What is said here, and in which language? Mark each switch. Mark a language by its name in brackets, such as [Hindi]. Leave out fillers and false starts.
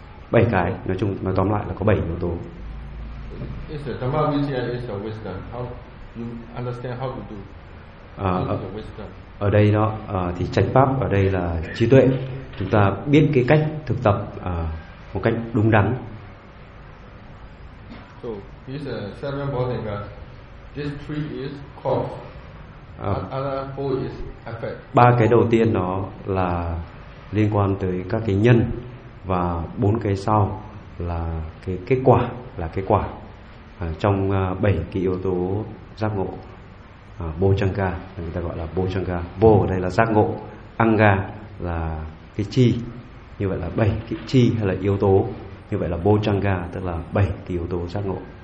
[Vietnamese] Bảy cái, nói chung nói tóm lại là có bảy yếu tố. [English] Is it samavijaya is a wisdom? How you understand how to do? [Vietnamese] Ở đây đó thì chánh pháp ở đây là trí tuệ. Chúng ta biết cái cách thực tập một cách đúng đắn. [English] So this seven bodhinga, this three is cause, other four is effect. [Vietnamese] Ba cái đầu tiên đó là liên quan tới các cái nhân và bốn cái sau là cái kết quả, là kết quả trong bảy cái yếu tố giác ngộ. Bodhicanga người ta gọi là Bodhicanga. Bồ ở đây là giác ngộ, Anga là cái chi, như vậy là bảy cái chi hay là yếu tố, như vậy là Bodhicanga tức là bảy cái yếu tố giác ngộ.